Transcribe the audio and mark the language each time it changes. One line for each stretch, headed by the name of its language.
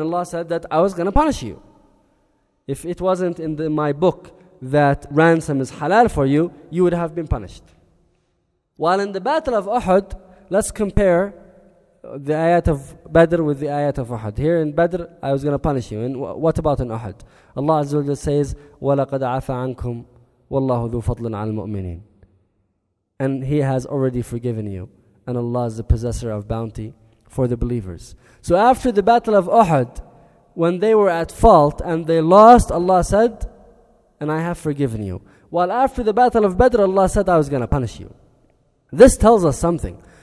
English: And Allah said that I was going to punish you. If it wasn't in my book that ransom is halal for you, you would have been punished. While in the battle of Uhud, let's compare the ayat of Badr with the ayat of Uhud. Here in Badr, I was going to punish you. And what about in Uhud?
Arabic: Allah Azza wa Jalla
English: says,
Arabic: وَلَقَدْ عَفَ عَنْكُمْ وَاللَّهُ ذُو فَضْلٍ عَلَى الْمُؤْمِنِينَ.
English: And He has already forgiven you. And Allah is the possessor of bounty for the believers. So after the battle of Uhud, when they were at fault and they lost, Allah said, and I have forgiven you. While after the battle of Badr, Allah said, I was going to punish you. This tells us something.